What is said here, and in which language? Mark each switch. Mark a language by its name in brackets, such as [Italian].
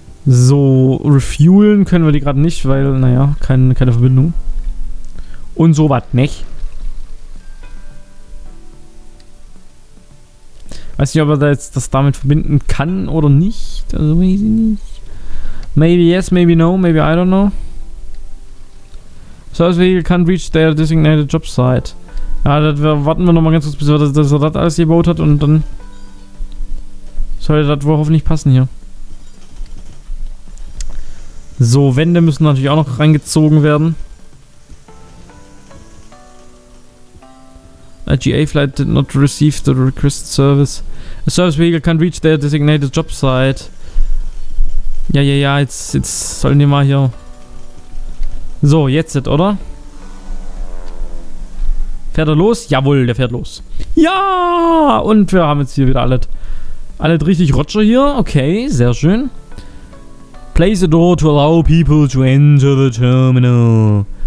[German] So, refuelen können wir die gerade nicht, weil, naja, keine Verbindung. Und so was, nicht? Weiß nicht, ob er das damit verbinden kann oder nicht. Also, weiß ich nicht. [English] Maybe yes, maybe no, maybe I don't know. Service vehicle can't reach their designated job site. [German] Ja, warten wir nochmal ganz kurz, bis er das alles gebaut hat und dann sollte das wohl hoffentlich passen hier. So, Wände müssen natürlich auch noch reingezogen werden. [English] A GA flight did not receive the requested service. A service vehicle can't reach their designated job site. [German] Ja, jetzt sollen die mal hier. So, jetzt, oder? Fährt er los? Jawohl, der fährt los. Ja! Und wir haben jetzt hier wieder alles richtig Roger hier. Okay, sehr schön. [English] Place a door to allow people to enter the terminal.